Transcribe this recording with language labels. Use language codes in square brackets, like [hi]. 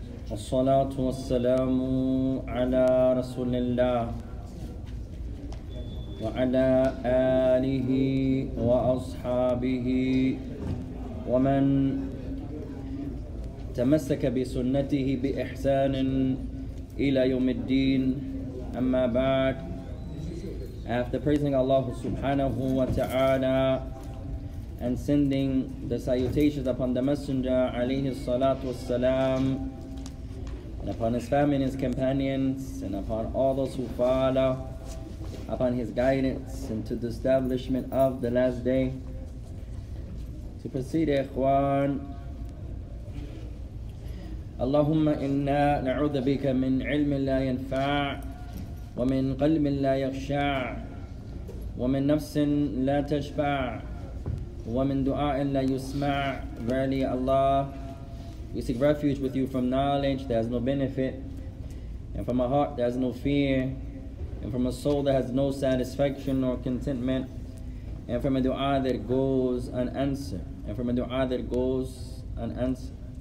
[ar] والصلاة والسلام على رسول الله وعلى آله وأصحابه ومن تمسك بسنته بإحسان إلى يوم الدين أما بعد. [en] After praising Allah subhanahu wa ta'ala and sending the salutations upon the Messenger alayhi salatu wassalam and upon his family and his companions and upon all those who follow upon his guidance into the establishment of the last day, to proceed, ikhwan. [ar] اللهم إنا نعوذ بك من علم لا ينفع ومن قلب لا يخشع ومن نفس لا تشبع ومن دعاء لا يسمع. [en] Verily Allah, we seek refuge with you from knowledge that has no benefit, and from a heart that has no fear, and from a soul that has no satisfaction nor contentment, and from a dua that goes unanswered, and from a dua that goes unanswered.